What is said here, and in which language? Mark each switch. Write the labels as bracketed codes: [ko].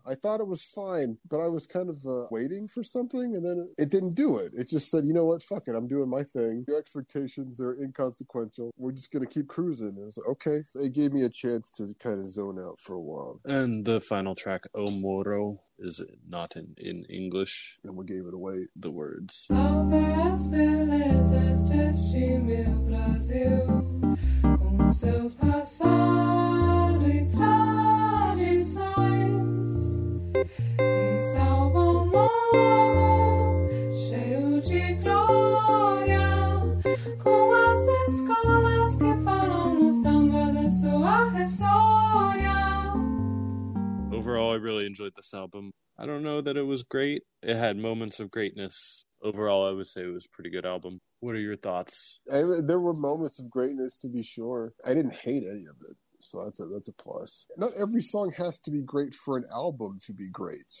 [en] I thought it was fine, but I was kind of waiting for something, and then it didn't do it. It just said, you know what? Fuck it. I'm doing my thing. Your expectations are inconsequential. We're just going to keep cruising. It was like, okay. It gave me a chance to kind of zone out for a while. And the final track, O Moro, is not in English. And we gave it away. The words. [pt] Salve as belezas deste meu Brasil, com seus passados e tradições, e salve o mundo cheio de glória, com as escolas que falam no samba da sua história. [en] Overall, I really enjoyed this album. I don't know that it was great. It had moments of greatness. Overall, I would say it was a pretty good album. What are your thoughts? There were moments of greatness, to be sure. I didn't hate any of it, so that's a plus. Not every song has to be great for an album to be great.